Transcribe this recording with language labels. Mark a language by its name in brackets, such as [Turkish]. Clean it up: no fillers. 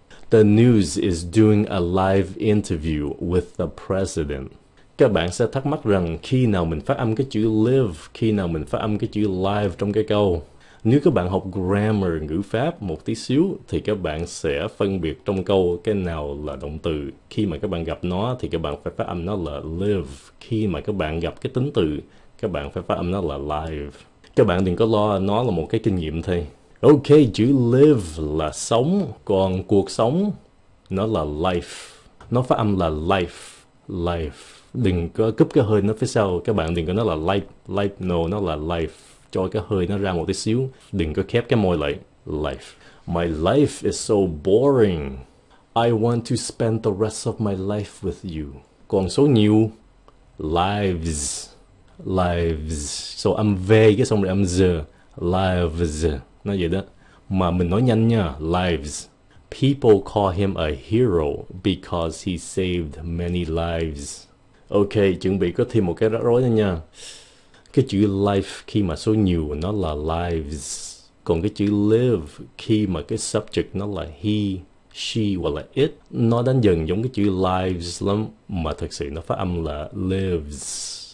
[English] The news is doing a live interview with the president. [Vietnamese] Các bạn sẽ thắc mắc rằng khi nào mình phát âm cái chữ live, khi nào mình phát âm cái chữ live trong cái câu. Nếu các bạn học grammar, ngữ pháp một tí xíu, thì các bạn sẽ phân biệt trong câu cái nào là động từ. Khi mà các bạn gặp nó, thì các bạn phải phát âm nó là live. Khi mà các bạn gặp cái tính từ, các bạn phải phát âm nó là live. Các bạn đừng có lo, nó là một cái kinh nghiệm thôi. Ok, chữ live là sống, còn cuộc sống, nó là life. Nó phát âm là life, life. Đừng có cúp cái hơi nó phía sau, các bạn đừng có nói là life, life, no, nó là life. Cho cái hơi nó ra một tí xíu, đừng có khép cái môi lại, life. [English] My life is so boring. I want to spend the rest of my life with you. [Vietnamese] Còn số nhiều, lives, lives. So âm V cái xong rồi âm Z, lives. Nó vậy đó. Mà mình nói nhanh nha, lives. [English] People call him a hero because he saved many lives. [Vietnamese] Ok, chuẩn bị có thêm một cái rắc rối nữa nha. Cái chữ life khi mà số nhiều nó là lives. Còn cái chữ live khi mà cái subject nó là he, she hoặc là it. Nó đánh dần giống cái chữ lives lắm. Mà thật sự nó phát âm là lives.